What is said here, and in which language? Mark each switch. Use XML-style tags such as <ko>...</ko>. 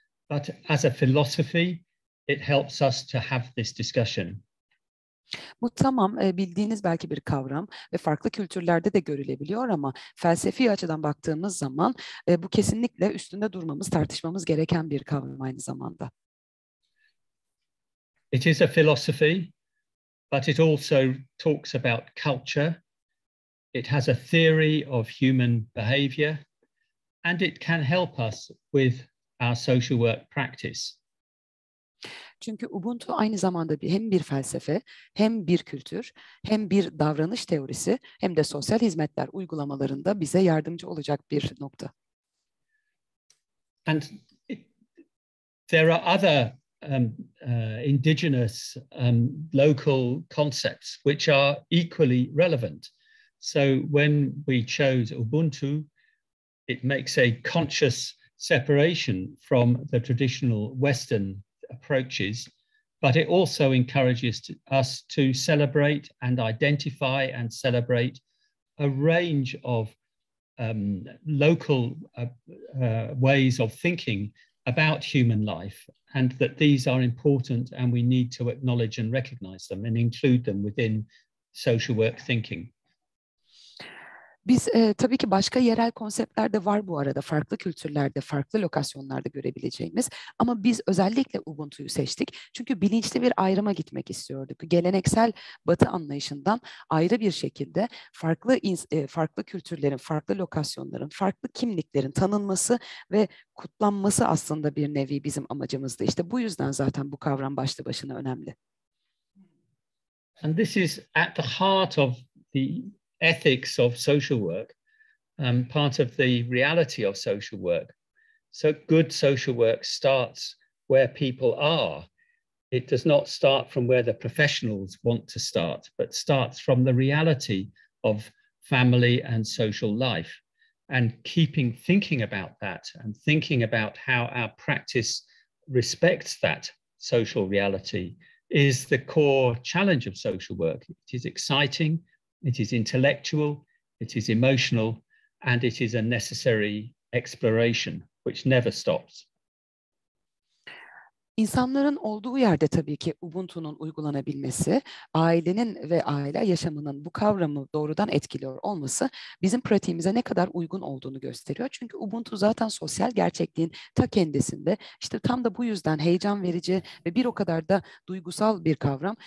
<en>But as a philosophy, it helps us to have this discussion.</en> <tr>Bu tamam, bildiğiniz belki bir kavram ve farklı kültürlerde de görülebiliyor ama felsefi açıdan baktığımız zaman bu kesinlikle üstünde durmamız, tartışmamız gereken bir kavram aynı zamanda.</tr> <en>It is a philosophy. But it also talks about culture. It has a theory of human behavior, and it can help us with our social work practice.</en> <tr>Çünkü Ubuntu aynı zamanda hem bir felsefe, hem bir kültür, hem bir davranış teorisi, hem de sosyal hizmetler uygulamalarında bize yardımcı olacak bir nokta.</tr> <en>And there are other indigenous local concepts which are equally relevant. So when we chose Ubuntu, it makes a conscious separation from the traditional Western approaches, but it also encourages us to celebrate and identify and celebrate a range of local ways of thinking about human life, and that these are important and we need to acknowledge and recognize them and include them within social work thinking.</en> <tr>Biz tabii ki başka yerel konseptler de var bu arada, farklı kültürlerde, farklı lokasyonlarda görebileceğimiz. Ama biz özellikle Ubuntu'yu seçtik. Çünkü bilinçli bir ayrıma gitmek istiyorduk. Geleneksel Batı anlayışından ayrı bir şekilde farklı farklı kültürlerin, farklı lokasyonların, farklı kimliklerin tanınması ve kutlanması aslında bir nevi bizim amacımızdı. İşte bu yüzden zaten bu kavram başlı başına önemli.</tr> <en>And this is at the heart of the ethics of social work, part of the reality of social work. So good social work starts where people are. It does not start from where the professionals want to start, but starts from the reality of family and social life. And keeping thinking about that and thinking about how our practice respects that social reality is the core challenge of social work. It is exciting. It is intellectual, it is emotional, and it is a necessary exploration which never stops.</en> <tr>İnsanların olduğu yerde tabii ki Ubuntu'nun uygulanabilmesi, ailenin ve aile yaşamının bu kavramı doğrudan etkiliyor olması bizim pratiğimize ne kadar uygun olduğunu gösteriyor. Çünkü Ubuntu zaten sosyal gerçekliğin ta kendisinde. İşte tam da bu yüzden heyecan verici ve bir o kadar da duygusal bir kavram.</tr>